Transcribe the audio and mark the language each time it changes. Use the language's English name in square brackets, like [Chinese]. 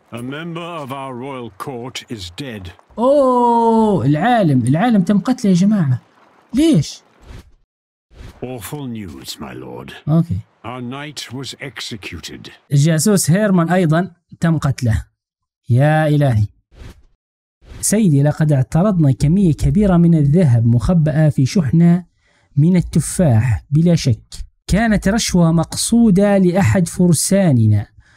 [English] A member of our royal court is dead. [Arabic] أوه العالم، العالم تم قتله يا جماعة. ليش؟ [English] Awful news, my lord. Okay. Our knight was executed. [Arabic] الجاسوس هيرمان أيضا تم قتله. يا إلهي. سيدي لقد اعترضنا كمية كبيرة من الذهب مخبأة في شحنة من التفاح بلا شك. كانت رشوة مقصودة لأحد فرساننا.